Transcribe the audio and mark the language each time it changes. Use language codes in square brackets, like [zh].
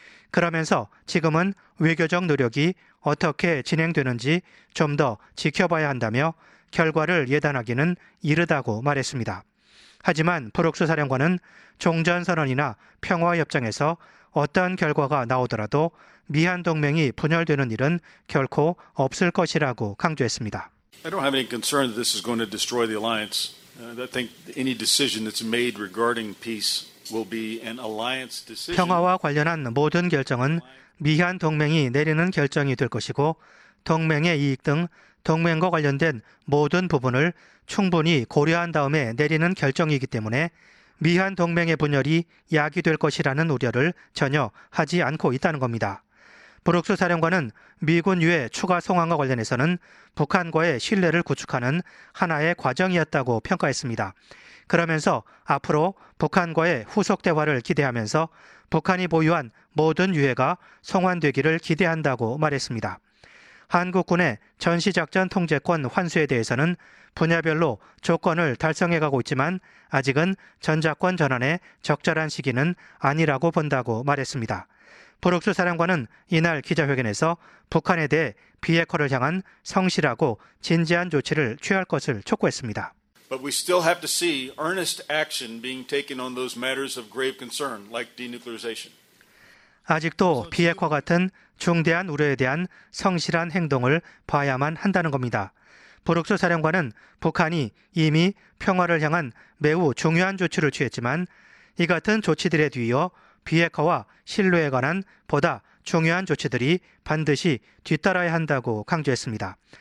[ko] 그러면서 지금은 외교적 노력이 어떻게 진행되는지 좀 더 지켜봐야 한다며 결과를 예단하기는 이르다고 말했습니다. 하지만 브룩스 사령관은 종전선언이나 평화협정에서 어떤 결과가 나오더라도 미한 동맹이 분열되는 일은 결코 없을 것이라고 강조했습니다. [en] I don't have any concern that this is going to destroy the alliance. I think any decision that's made regarding peace will be an alliance decision. [ko] 평화와 관련한 모든 결정은 미한 동맹이 내리는 결정이 될 것이고 동맹의 이익 등 동맹과 관련된 모든 부분을 충분히 고려한 다음에 내리는 결정이기 때문에 미한 동맹의 분열이 야기될 것이라는 우려를 전혀 하지 않고 있다는 겁니다. 브룩스 사령관은 미군 유해 추가 송환과 관련해서는 북한과의 신뢰를 구축하는 하나의 과정이었다고 평가했습니다. 그러면서 앞으로 북한과의 후속 대화를 기대하면서 북한이 보유한 모든 유해가 송환되기를 기대한다고 말했습니다. 한국군의 전시작전통제권 환수에 대해서는 분야별로 조건을 달성해가고 있지만 아직은 전작권 전환에 적절한 시기는 아니라고 본다고 말했습니다. 브룩스 사령관은 이날 기자회견에서 북한에 대해 비핵화를 향한 성실하고 진지한 조치를 취할 것을 촉구했습니다. [en] But we still have to see earnest action being taken on those matters of grave concern, like denuclearization. [ko] 아직도 비핵화 같은 중대한 우려에 대한 성실한 행동을 봐야만 한다는 겁니다. 브룩스 사령관은 북한이 이미 평화를 향한 매우 중요한 조치를 취했지만 이 같은 조치들에 뒤이어 비핵화와 신뢰에 관한 보다 중요한 조치들이 반드시 뒤따라야 한다고 강조했습니다.